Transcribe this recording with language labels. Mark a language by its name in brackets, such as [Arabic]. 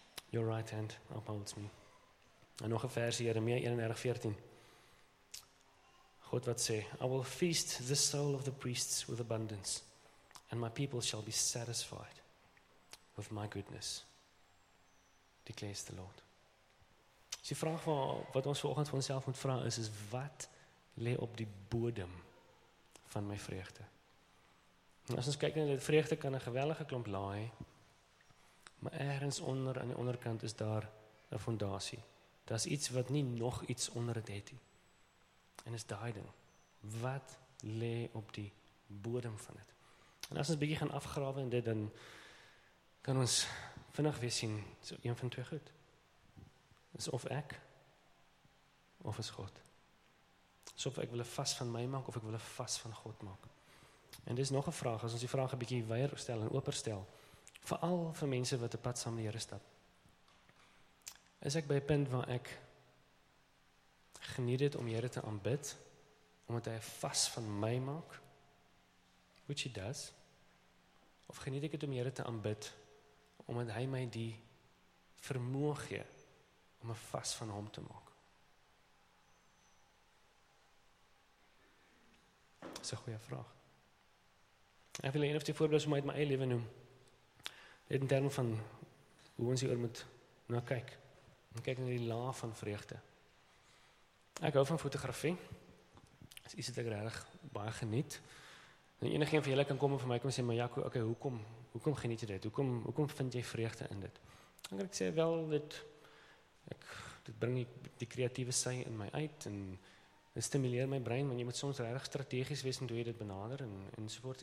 [English] Your right hand upholds me. [Afrikaans] En nog 'n vers, Jeremia 31:14. God wat sê, [English] I will feast the soul of the priests with abundance, and my people shall be satisfied with my goodness, declares the Lord. [Afrikaans] So die vraag wat ons vanoggend vir onsself moet vra is wat lê op die bodem van my vreugde. En as ons kyk na dit, vreugde kan 'n geweldige klomp laai, maar ergens onder, aan die onderkant, is daar 'n fondasie. Dit is iets wat nie nog iets onder dit het nie. En is daai ding. Wat lê op die bodem van dit? En as ons bietjie gaan afgrawe in dit, dan kan ons vinnig weer sien, so een van twee goed. Is of ek, of is God. So of ek wil vas van my maak, of ek wil vas van God maak. En dit is nog een vraag, as ons die vraag een bykie weier stel en ooper stel, vooral vir mense wat die pad saam die Here stap. is ek by 'n punt waar ek geniet het om Here te aanbid, omdat hy vas van my maak, [English] which he does, [Afrikaans] of geniet ek het om Here te aanbid, omdat hy my die vermoë gee om 'n vas van hom te maak. Dis 'n goeie vraag. Ek wil een of twee voorbeelde uit my eie lewe noem. Net in terme van hoe ons hieroor moet na kyk. En kyk na die laag van vreugde. Ek hou van fotografie. Dis iets wat ek regtig baie geniet. En enige een van julle kan kom en vir my kom sê, "Maar Jaco, okay, hoekom geniet jy dit? Hoekom vind jy vreugde in dit?" Dan kan ek sê, "Wel, dit bring die kreatiewe sy in my uit en dit stimuleer my brein, want jy moet soms regtig strategies wees en hoe jy dit benader en so voort."